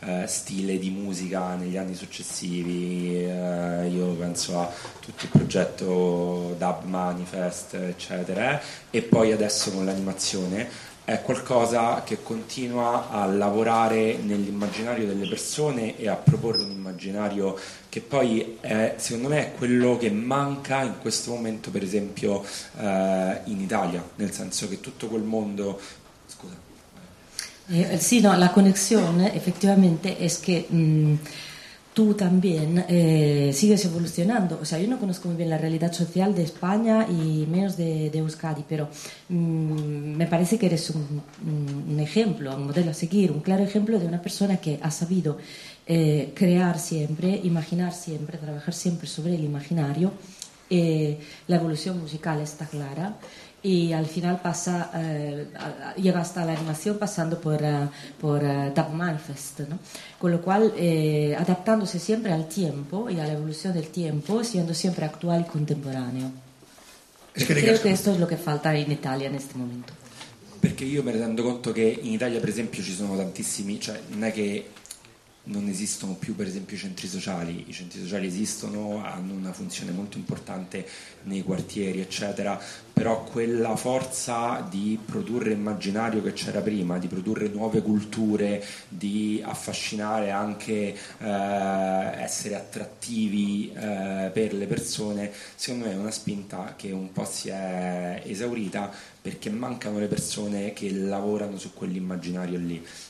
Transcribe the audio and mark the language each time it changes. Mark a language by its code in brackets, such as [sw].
[it] stile di musica negli anni successivi, io penso a tutto il progetto Dub Manifest eccetera, e poi adesso con l'animazione è qualcosa che continua a lavorare nell'immaginario delle persone e a proporre un immaginario che poi è, secondo me è quello che manca in questo momento per esempio in Italia, nel senso che tutto quel mondo scusa sì, no, la connessione effettivamente è che tu [es] tú también sigues evolucionando. O sea, yo no conozco muy bien la realidad social de España y menos de Euskadi, pero me parece que eres un ejemplo, un modelo a seguir, un claro ejemplo de una persona que ha sabido crear siempre, imaginar siempre, trabajar siempre sobre el imaginario. La evolución musical está clara y al final pasa, llega hasta la animación pasando por Tap Manifest, ¿no? Con lo cual adaptándose siempre al tiempo y a la evolución del tiempo, siendo siempre actual y contemporáneo. Es que creo que esto es lo que falta en Italia en este momento, [it] perché io mi rendo conto che in Italia per esempio ci sono tantissimi, cioè non è che non esistono più per esempio i centri sociali esistono, hanno una funzione molto importante nei quartieri eccetera, però quella forza di produrre immaginario che c'era prima, di produrre nuove culture, di affascinare anche essere attrattivi per le persone, secondo me è una spinta che un po' si è esaurita perché mancano le persone che lavorano su quell'immaginario lì.